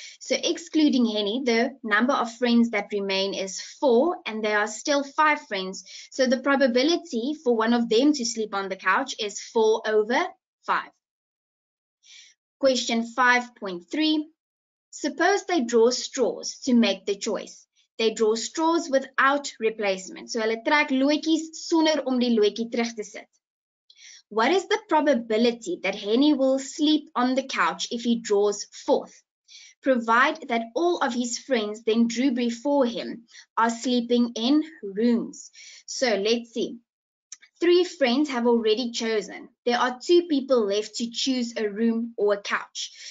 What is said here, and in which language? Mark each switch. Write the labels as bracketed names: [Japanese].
[English] So excluding Henny, the number of friends that remain is 4, and there are still 5 friends. So the probability for one of them to sleep on the couch is 4/5. Question 5.3. Suppose they draw straws to make the choice. They draw straws without replacement. [Afrikaans] So hulle trek loetjies sonder om die loetjie terug te sit. [English] What is the probability that Henny will sleep on the couch if he draws 4th? Provide that all of his friends then drew before him are sleeping in rooms. So let's see. 3 friends have already chosen. There are 2 people left to choose a room or a couch.